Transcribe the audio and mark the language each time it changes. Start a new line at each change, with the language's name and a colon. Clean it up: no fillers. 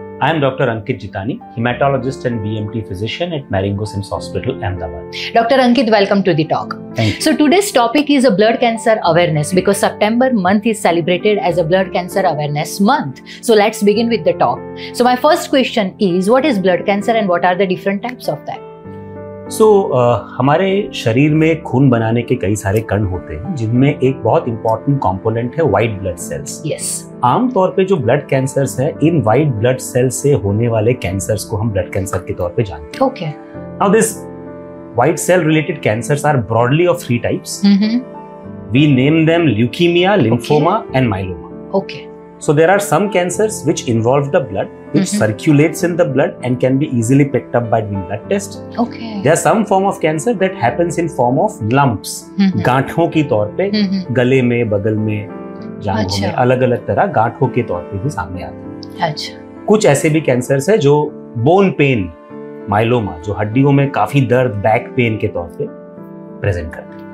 English: I am Dr. Ankit Jitani, hematologist and VMT physician at Marengo SIMS Hospital, Ahmedabad. Dr. Ankit, welcome to the talk. Thank you. So today's topic is a blood cancer awareness because September month is celebrated as a blood cancer awareness month. So let's begin with the talk. So my first question is, what is blood cancer and what are the different types of that?
Hindi: So हमारे शरीर में खून बनाने के कई सारे कण होते हैं जिनमें एक बहुत इंपॉर्टेंट कॉम्पोनेंट है व्हाइट ब्लड सेल्स।
English: Yes.
Hindi: आमतौर पे जो ब्लड कैंसर्स है इन व्हाइट ब्लड सेल्स से होने वाले कैंसर्स को हम ब्लड कैंसर के तौर पे जानते हैं।
English: Okay. Now this white cell related cancers are broadly of three types. We name them leukaemia, lymphoma and myeloma. Okay. So there are some cancers which involve the blood, which circulates in the blood and can be easily picked up by doing blood test. Okay. There are some form of cancer that happens in form of lumps,
Hindi: गांठों की तौर पे, गले में, बगल में, जांघों में, अलग-अलग तरह गांठों के तौर पे भी सामने आते हैं। अच्छा। कुछ ऐसे भी cancers हैं जो bone pain, myeloma, जो हड्डियों में काफी दर्द, back pain के तौर पे present करते हैं।